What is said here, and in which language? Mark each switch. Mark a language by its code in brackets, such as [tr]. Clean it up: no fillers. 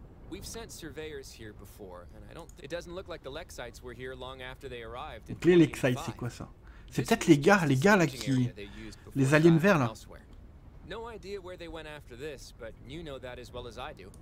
[en] We've sent surveyors here before and I don't it doesn't look like the Lexites were here long after they arrived. [fr] Les Lexites, c'est quoi ça? C'est peut-être les gars là qui les aliens verts là. [en] No idea where they went after this, but you know that as well as I do.